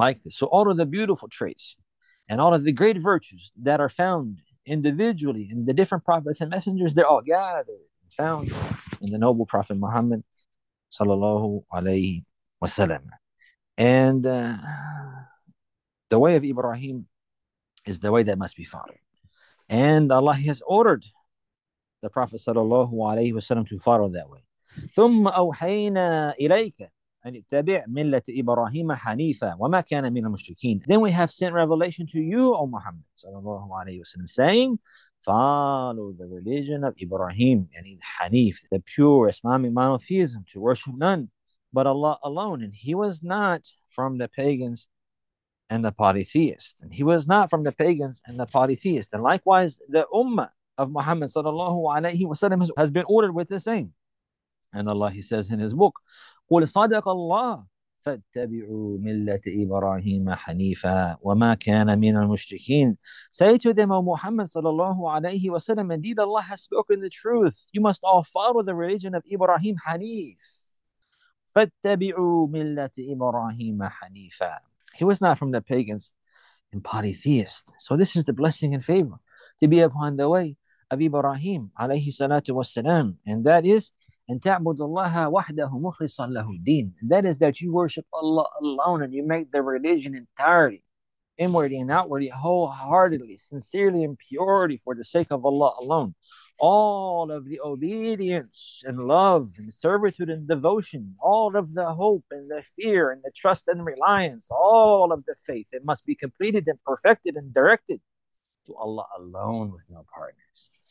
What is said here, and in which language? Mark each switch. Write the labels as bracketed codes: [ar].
[en] So all of the beautiful traits and all of the great virtues that are found individually in the different prophets and messengers, they're all gathered and found in the noble Prophet Muhammad sallallahu alayhi wasallam. And the way of Ibrahim is the way that must be followed, and Allah, He has ordered the Prophet sallallahu alayhi wasallam to follow that way. [ar] ثم أوحينا إليك أن اتبع ملة إبراهيم حنيفا وما كان من المشركين. [en] Then we have sent revelation to you, O Muhammad [ar] صلى الله عليه وسلم, [en] saying, follow the religion of Ibrahim, [ar] يعني حنيف, [en] the pure Islamic monotheism, to worship none but Allah alone. And he was not from the pagans and the polytheists. And he was not from the pagans and the polytheists. And likewise, the ummah of Muhammad [ar] صلى الله عليه وسلم [en] has been ordered with the same. And Allah, He says in His book, [ar] قُلْ صَدَقَ اللَّهِ فَاتَّبِعُوا مِلَّةِ إِبْرَاهِيمَ حَنِيفًا وَمَا كَانَ مِنَ الْمُشْرِكِينَ. [en] Say to them, O Muhammad sallallahu alayhi wa sallam, indeed Allah has spoken the truth. You must all follow the religion of Ibrahim Hanif. [ar] فَاتَّبِعُوا مِلَّةِ إِبْرَاهِيمَ حَنِيفًا. [en] He was not from the pagans and polytheists. So this is the blessing and favor to be upon the way of Ibrahim alayhi salatu wasalam. And that is, and [ar] تعبد الله وحده مخلصا له الدين. [en] That is that you worship Allah alone and you make the religion entirely, inwardly and outwardly, wholeheartedly, sincerely and purely for the sake of Allah alone. All of the obedience and love and servitude and devotion, all of the hope and the fear and the trust and reliance, all of the faith, it must be completed and perfected and directed to Allah alone with no partners.